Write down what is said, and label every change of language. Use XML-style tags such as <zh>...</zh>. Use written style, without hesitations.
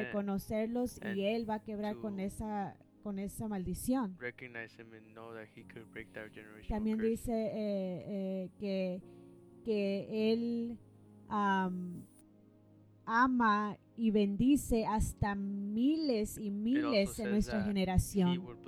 <es>reconocerlos, y Él va a quebrar con esa maldición.</es> <en>Recognize him and know that he could break that generational</en> <es>también</es> <en>curse.</en> <es>Dice que Él ama y bendice hasta miles y miles de nuestra generación.</es>